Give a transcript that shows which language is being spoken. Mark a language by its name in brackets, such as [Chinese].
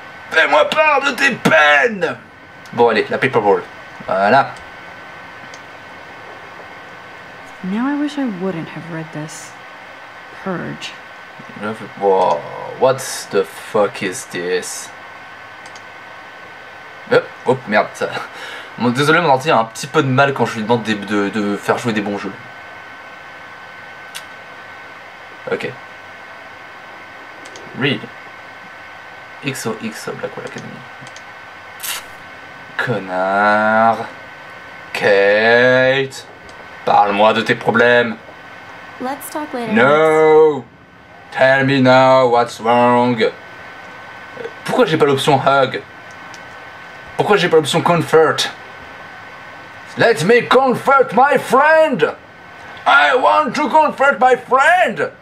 [French] Fais-moi part de tes peines! Bon, allez, la paperboard. Voilà. [English] Now I wish I wouldn't have read this. Purge. Whoa, what the fuck is this? [French] Oh, merde. Bon, désolé, mon ordi a un petit peu de mal quand je lui demande de faire jouer des bons jeux. Ok. [English] Read. XOXO Blackwell Academy. [French] connard. Kate, parle-moi de tes problèmes. [English] Let's talk later. No, tell me now what's wrong. [French] Pourquoi j'ai pas l'option hug? Pourquoi j'ai pas l'option comfort? [English] Let me comfort my friend. I want to comfort my friend.